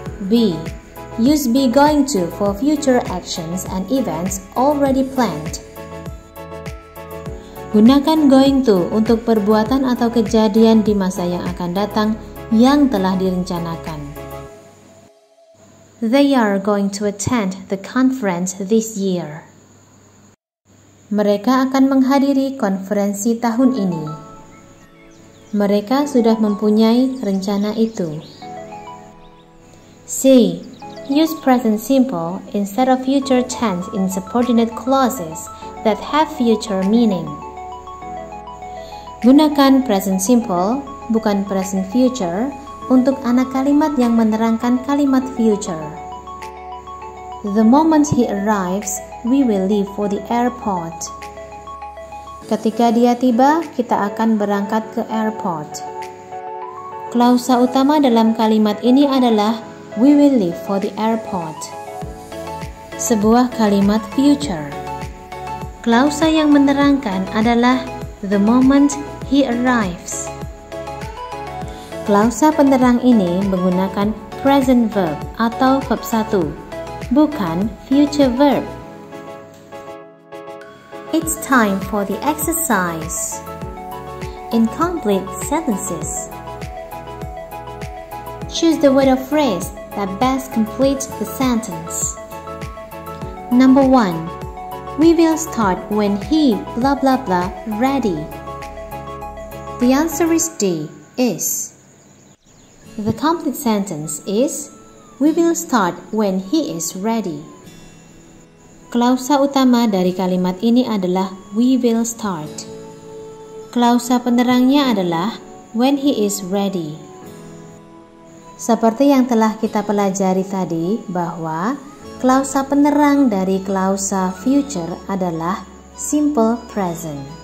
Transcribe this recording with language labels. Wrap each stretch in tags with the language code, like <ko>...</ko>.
<en>B. Use be going to for future actions and events already planned.</en> <id>Gunakan going to untuk perbuatan atau kejadian di masa yang akan datang yang telah direncanakan.</id> <en>They are going to attend the conference this year.</en> <id>Mereka akan menghadiri konferensi tahun ini. Mereka sudah mempunyai rencana itu.</id> <en>C. Use present simple instead of future tense in subordinate clauses that have future meaning.</en> <id>Gunakan present simple, bukan present future, untuk anak kalimat yang menerangkan kalimat future.</id> <en>The moment he arrives, we will leave for the airport.</en> <id>Ketika dia tiba, kita akan berangkat ke airport. Klausa utama dalam kalimat ini adalah we will leave for the airport. Sebuah kalimat future. Klausa yang menerangkan adalah the moment he arrives. Klausa penerang ini menggunakan present verb atau verb 1, bukan future verb.</id> <en>It's time for the exercise. Incomplete sentences. Choose the word or phrase that best completes the sentence. Number 1. We will start when he blah blah blah ready. The answer is D, is. The complete sentence is, we will start when he is ready.</en> <id>Klausa utama dari kalimat ini adalah we will start. Klausa penerangnya adalah when he is ready. Seperti yang telah kita pelajari tadi, bahwa klausa penerang dari klausa future adalah simple present.</id>